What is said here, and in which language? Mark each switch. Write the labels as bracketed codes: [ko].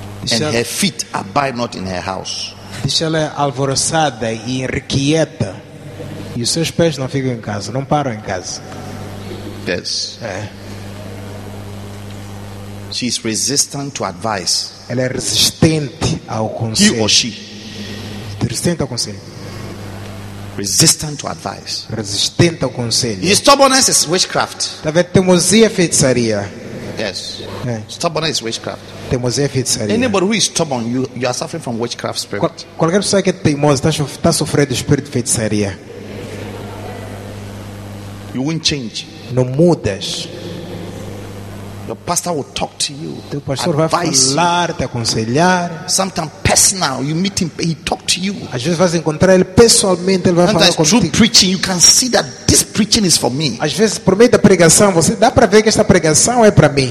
[en] And her feet abide not in her house. [pt] Diz ela é alvoroçada e inquieta. E os seus pés não ficam em casa, não param em casa. [en] Yes. [pt] É. [en] She is resistant to advice. [pt] Ela é resistente ao conselho. [en] He or she. [pt] Resistente ao conselho. [en] Resistant to advice. [pt] Resistente ao conselho. [en] His stubbornness is witchcraft. [pt] Da teimosia feitiçaria. [en] Yes. [pt] É. [en] Stubbornness is witchcraft. [pt] Teimosia feitiçaria. [en] Anybody who is stubborn, you are suffering from witchcraft spirit. [pt] Qualquer pessoa que é teimosa está sofrendo do espírito de feitiçaria. [en] You won't change. [pt] Não mudas. [en] Your pastor will talk to you. [pt] Teu pastor vai falar, te aconselhar. [en] Sometimes personal, you meet him, he talk to you. [pt] Às vezes vais encontrar ele pessoalmente, ele vai [en] sometimes [pt] falar contigo. [en] Through preaching, you can see that this preaching is for me. [pt] Às vezes por meio da pregação, você dá para ver que esta pregação é para mim.